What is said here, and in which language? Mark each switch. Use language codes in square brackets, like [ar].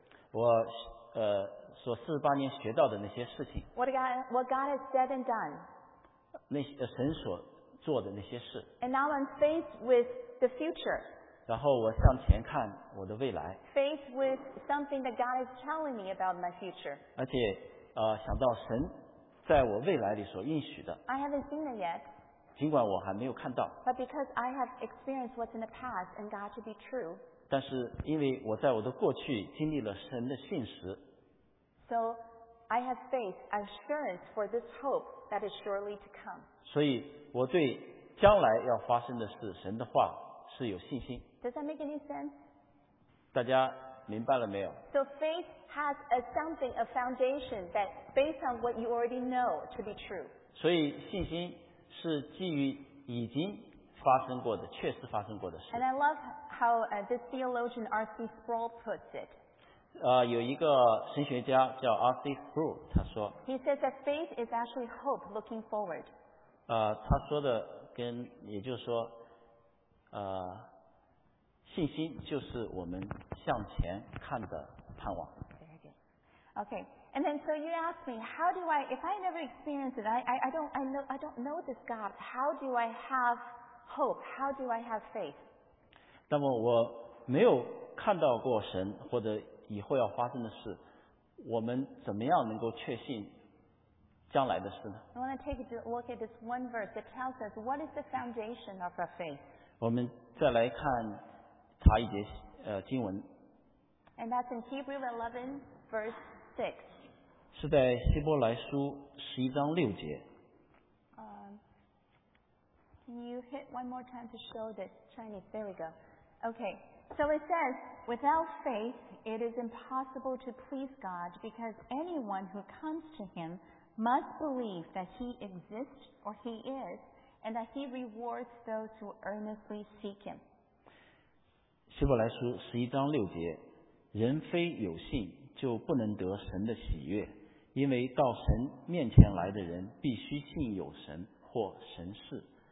[zh] 我所48年学到的那些事情。 [en] What God has said and done. [zh] 那神所做的那些事。 [en] And now I'm faced with the future. [zh] 然后我向前看我的未来。 [en] Faced with something that God is telling me about my future. [zh] 而且想到神在我未来里所应许的。 [en] I haven't seen it yet. [zh] 尽管我还没有看到。 [en] But because I have experienced what's in the past and God to be true. [zh] 但是因为我在我的过去经历了神的信实。 [en] So I have faith, assurance for this hope that is surely to come. [zh] 所以我对将来要发生的事，神的话是有信心。 [en] Does that make any sense? [zh] 大家明白了没有？ [en] So faith has a something, a foundation that based on what you already know to be true. [zh] 所以信心是基于已经发生过的，确实发生过的事。 [en] And I love how this theologian R.C. Sproul puts it. [zh] 有一个神学家叫 R.C. Sproul， 他说。 [en] He says that faith is actually hope looking forward. [zh] 他说的跟也就是说，信心就是我们向前看的盼望。 [en] Okay, and then so you ask me, how do I, if I never experience it, I don't know this God, how do I have hope? How do I have faith? [zh] 那么我没有看到过神或者以后要发生的事，我们怎么样能够确信将来的事呢？ [en] I want to take a look at this one verse that tells us what is the foundation of our faith. [zh] 我们再来看查一节经文。 [en] And that's in Hebrews 11, verse 6. [zh] 是在希伯来书十一章六节。 [en] Can you hit one more time to show the Chinese? There we go. Okay, so it says, without faith, it is impossible to please God because anyone who comes to him must believe that he exists or he is and that he rewards those who earnestly seek him. [zh] 希伯来书十一章六节，人非有信就不能得神的喜悦，因为到神面前来的人必须信有神或神是。